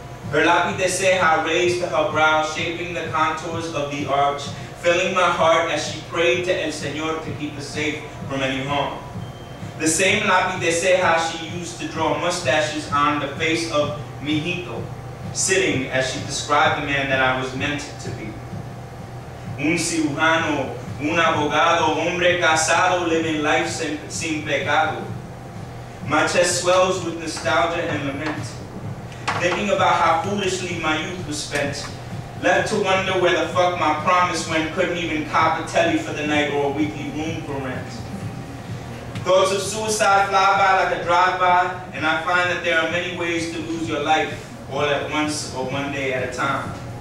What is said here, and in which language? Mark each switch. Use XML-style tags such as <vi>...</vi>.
<en>Her lápiz de ceja raised to her brow, shaping the contours of the arch, filling my heart as she prayed to El Señor to keep us safe from any harm. The same lápiz de ceja she used to draw mustaches on the face of Mijito, sitting as she described the man that I was meant to be.</en> <es>Un cirujano, un abogado, hombre casado,</es> <en>living life</en> <es>sin pecado.</es> <en>My chest swells with nostalgia and lament, thinking about how foolishly my youth was spent, left to wonder where the fuck my promise went, couldn't even cop a telly for the night or a weekly room for rent. Thoughts of suicide fly by like a drive-by, and I find that there are many ways to lose your life, all at once or one day at a time.</en>